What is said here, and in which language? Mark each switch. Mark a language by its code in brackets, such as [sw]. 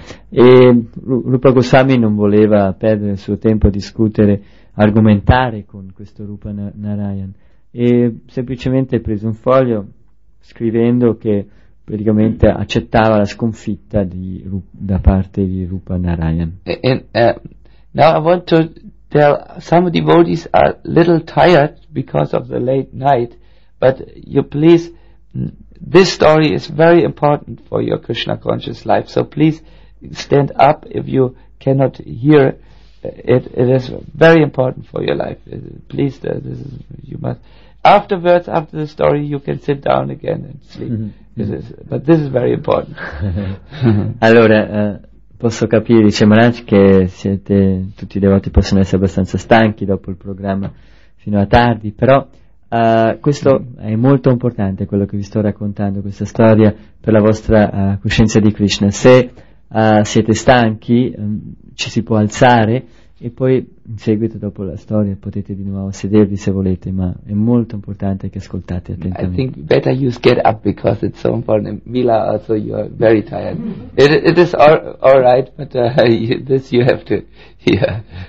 [it] E Rupa Goswami non voleva perdere il suo tempo a discutere, argomentare con questo Rupa Narayan, e semplicemente prese un foglio scrivendo che praticamente accettava la sconfitta da parte di Rupa Narayan. [en] Now I want to tell, some devotees are a little tired because of the late night, but you please, this story is very important for your Krishna conscious life, so please stand up if you cannot hear it. It is very important for your life. Please, this is, you must. Afterwards, after the story, you can sit down again and sleep. But this is very important. [it] Allora, posso capire, dice Maharaj, che siete, tutti i devoti possono essere abbastanza stanchi dopo il programma fino a tardi, però questo è molto importante, quello che vi sto raccontando, questa storia, per la vostra coscienza di Krishna. Se siete stanchi, ci si può alzare e poi in seguito, dopo la storia, potete di nuovo sedervi se volete, ma è molto importante che ascoltate attentamente. [en] I think better you get up because it's so important. Mila, also you are very tired. It is all right, but this you have to hear.